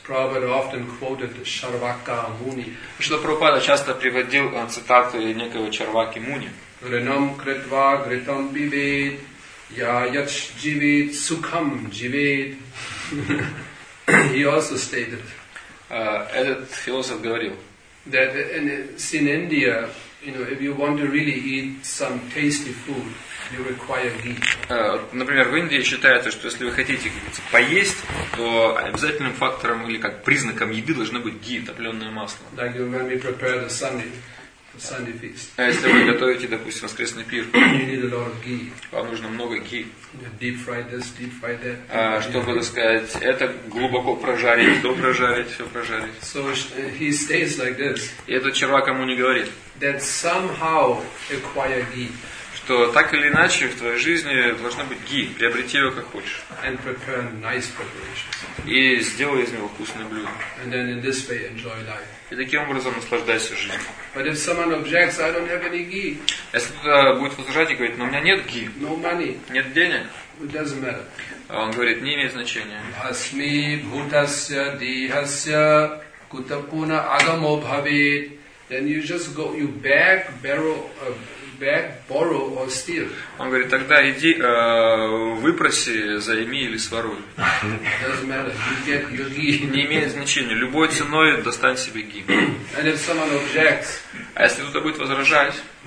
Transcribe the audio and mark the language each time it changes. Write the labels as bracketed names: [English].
[English] Prabhupada often quoted Charvaka Muni. [Russian] Что Прабхупада часто приводил цитаты некого Чарваки Муни. [Sanskrit] Ринам критва гритам бивед, я яч живет сукам живет. [English] He also stated. [Russian] Этот философ говорил. [English] That in India, you know, if you want to really eat some tasty food, you require ghee. [Russian] Например, в Индии считается, что если вы хотите поесть, то обязательным фактором или как признаком еды должно быть ghee, топленое масло. [English] Like when we prepare the Sunday feast. [Russian] А если вы готовите, допустим, воскресный пир, [English] you need a lot of ghee. [Russian] Вам нужно много ghee. [English] Deep fry this. [Russian] Чтобы так сказать, это глубоко прожарить, то прожарить, все прожарить. [English] So he stays like this. [Russian] И этот червак ему не говорит. [English] That somehow acquire ghee. [Russian] Что так или иначе в твоей жизни должно быть ghee, приобрети его как хочешь. [English] And prepare nice preparations. [Russian] И сделай из него вкусное блюдо. [English] And then in this way enjoy life. [Russian] И таким образом наслаждайся жизнью. [English] But if someone objects, I don't have any ghee. [Russian] Если кто-то будет возражать и говорит, но у меня нет ghee. [English] No money. [Russian] Нет денег. [English] It doesn't matter. [Russian] Он говорит, не имеет значения. [Sanskrit] Asmi bhutasya dihasya kutapuna agamo bhavet. [English] Then you just go, you beg, borrow or steal. [Russian] Он говорит, тогда иди, выпроси, займи или своруй. Не имеет значения. Любой ценой достань себе ги. А если кто-то будет возражать?